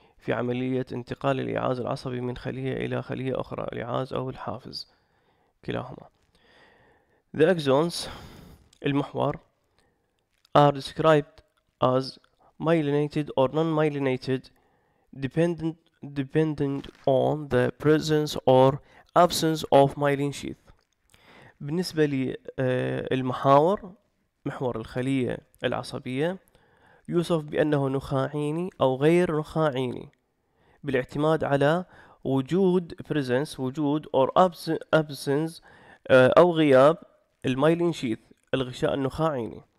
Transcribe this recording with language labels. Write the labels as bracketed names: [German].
[Arabic] في عملية انتقال الإيعاز العصبي من خلية إلى خلية أخرى، الإيعاز أو الحافز كلاهما. [English] The axons, المحور, are described as myelinated or non-myelinated depending on the presence or absence of myelin sheath. [Arabic] بالنسبة للمحاور، محور الخلية العصبية، يوصف بأنه نخاعيني أو غير نخاعيني بالاعتماد على وجود presence، وجود [English] or absence [Arabic] أو غياب المايلين شيث، الغشاء النخاعيني.